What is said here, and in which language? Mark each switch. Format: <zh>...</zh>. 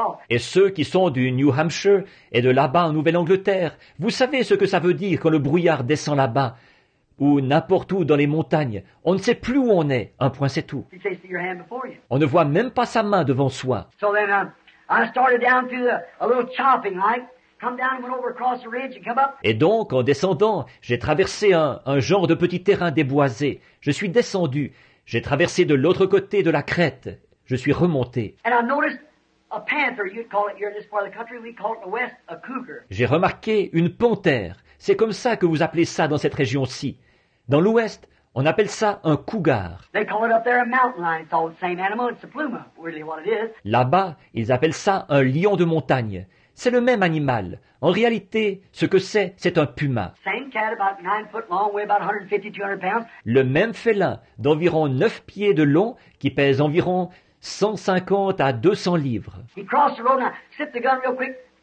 <fr>Et ceux qui sont du New Hampshire et de là-bas en Nouvelle-Angleterre, vous savez ce que ça veut dire quand le brouillard descend là-bas ou n'importe où dans les montagnes. On ne sait plus où on est. Un point, c'est tout. On ne voit même pas sa main devant soi.</fr> <en>So then, I started down through a little chopping, right? Come down and went over across the ridge and come up.</en> <fr>Et donc, en descendant, j'ai traversé un genre de petit terrain déboisé. Je suis descendu. J'ai traversé de l'autre côté de la crête. Je suis remonté.</fr> <en>And I noticed a panther, you'd call it here in this part of the country. We call it in the west a cougar.</en> <fr>J'ai remarqué une panthère. C'est comme ça que vous appelez ça dans cette région-ci. Dans l'ouest, on appelle ça un cougar.</fr> <en>They call it up there a mountain lion. It's all the same animal. It's a pluma, really what it is.</en> <fr>Là-bas, ils appellent ça un lion de montagne. C'est le même animal. En réalité, ce que c'est un puma.</fr> <en>Same cat, about 9 foot long, weigh about 150-200 pounds.</en> <fr>Le même félin, d'environ 9 pieds de long, qui pèse environ 150 à 200 livres.</fr> <en>He crossed the road and I slipped the gun real quick.</en>